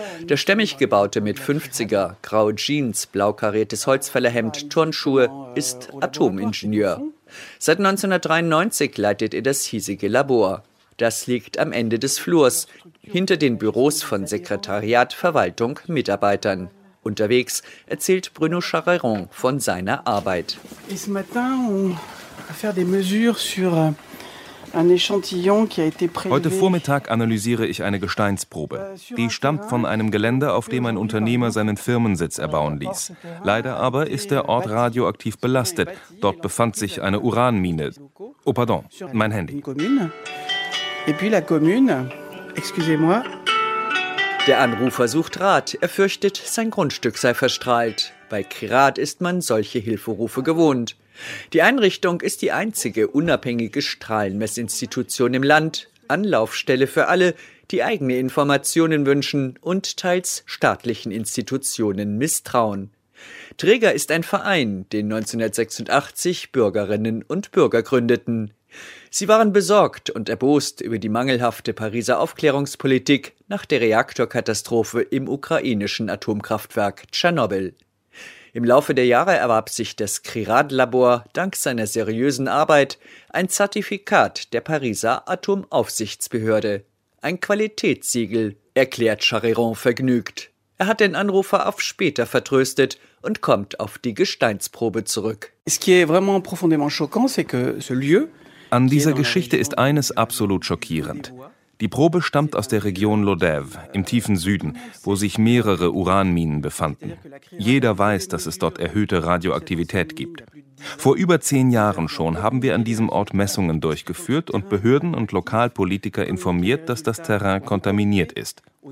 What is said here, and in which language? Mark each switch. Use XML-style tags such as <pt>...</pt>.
<de>Der stämmig gebaute mit 50er, graue Jeans, blau kariertes Holzfällerhemd, Turnschuhe, ist Atomingenieur. Seit 1993 leitet er das hiesige Labor. Das liegt am Ende des Flurs, hinter den Büros von Sekretariat, Verwaltung, Mitarbeitern. Unterwegs erzählt Bruno Chararon von seiner Arbeit.</de> <fr>Et ce matin, on va faire des mesures sur un échantillon qui a été prélevé.</fr> <de>Heute Vormittag analysiere ich eine Gesteinsprobe. Die stammt von einem Gelände, auf dem ein Unternehmer seinen Firmensitz erbauen ließ. Leider aber ist der Ort radioaktiv belastet. Dort befand sich eine Uranmine. Oh, pardon, mein Handy.</de> <fr>Et puis la commune, excusez-moi.</fr> <de>Der Anrufer sucht Rat. Er fürchtet, sein Grundstück sei verstrahlt. Bei Kirat ist man solche Hilferufe gewohnt. Die Einrichtung ist die einzige unabhängige Strahlenmessinstitution im Land. Anlaufstelle für alle, die eigene Informationen wünschen und teils staatlichen Institutionen misstrauen. Träger ist ein Verein, den 1986 Bürgerinnen und Bürger gründeten. Sie waren besorgt und erbost über die mangelhafte Pariser Aufklärungspolitik nach der Reaktorkatastrophe im ukrainischen Atomkraftwerk Tschernobyl. Im Laufe der Jahre erwarb sich das Kirat-Labor dank seiner seriösen Arbeit ein Zertifikat der Pariser Atomaufsichtsbehörde. Ein Qualitätssiegel, erklärt Chararon vergnügt. Er hat den Anrufer auf später vertröstet und kommt auf die Gesteinsprobe zurück.</de> <fr>Ce qui est vraiment profondément choquant, c'est que ce lieu.</fr> <de>An dieser Geschichte ist eines absolut schockierend. Die Probe stammt aus der Region Lodev im tiefen Süden, wo sich mehrere Uranminen befanden. Jeder weiß, dass es dort erhöhte Radioaktivität gibt. Vor über 10 Jahren schon haben wir an diesem Ort Messungen durchgeführt und Behörden und Lokalpolitiker informiert, dass das Terrain kontaminiert ist.</de>